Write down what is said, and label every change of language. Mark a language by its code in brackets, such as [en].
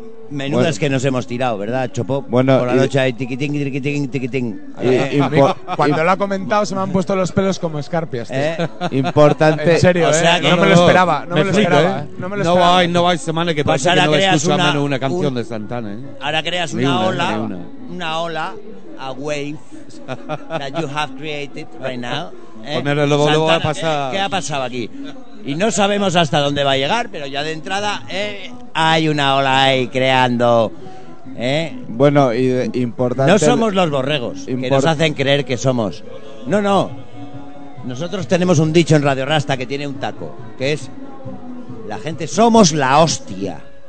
[es] Menudas bueno. que nos hemos tirado, ¿verdad, Chopo? Bueno, por la noche hay tiquitín, tiquitín, tiquitín. Cuando lo ha comentado se me han puesto los pelos como escarpias. Importante. En serio, o sea, no me lo esperaba. No me lo esperaba. No hay, no hay semana que pase pues que no escucha menos una canción de Santana. Ahora creas una ola, [en] a wave that you have created right now. [es] Lo va a pasar. ¿Qué ha pasado aquí? Y no sabemos hasta dónde va a llegar, pero ya de entrada hay una ola ahí creando. Bueno, y importante. No somos los borregos que nos hacen creer que somos. No, no. Nosotros tenemos un dicho en Radio Rasta que tiene un taco, que es la gente somos la hostia.